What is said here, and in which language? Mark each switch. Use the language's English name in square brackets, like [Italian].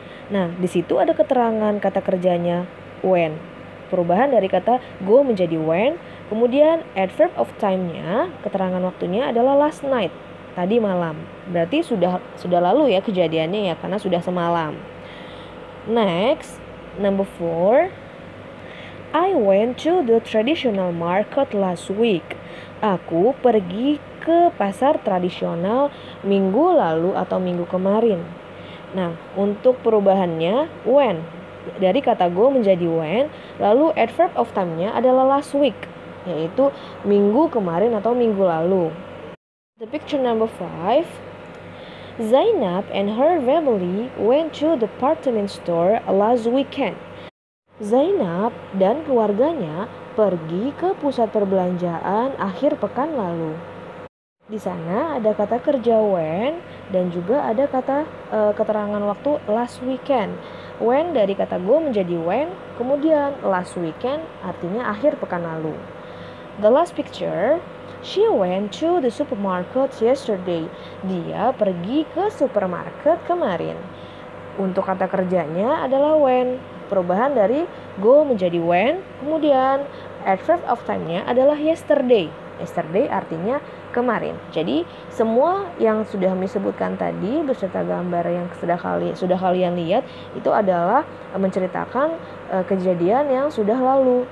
[Indonesian] Nah, di situ ada keterangan kata kerjanya went, perubahan dari kata go menjadi went. Kemudian adverb of time-nya, keterangan waktunya adalah last night, tadi malam. Berarti sudah lalu ya kejadiannya ya, karena sudah semalam. [English] Next, number 4. I went to the traditional market last week. [Indonesian] Aku pergi ke pasar tradisional minggu lalu atau minggu kemarin. Nah, untuk perubahannya when dari kata go menjadi went, lalu adverb of time-nya adalah last week, yaitu minggu kemarin atau minggu lalu. [English] The picture number 5. Zainab and her family went to the department store last weekend. [Indonesian] Zainab dan keluarganya pergi ke pusat perbelanjaan akhir pekan lalu. Di sana ada kata kerja when dan juga ada kata keterangan waktu last weekend. When dari kata go menjadi when, kemudian last weekend artinya akhir pekan lalu. [English] The last picture, she went to the supermarket yesterday. [Indonesian] Dia pergi ke supermarket kemarin. Untuk kata kerjanya adalah when, perubahan dari go menjadi went, kemudian adverb of time-nya adalah yesterday. Yesterday artinya kemarin. Jadi semua yang sudah kami sebutkan tadi beserta gambar yang sudah kalian lihat itu adalah menceritakan kejadian yang sudah lalu.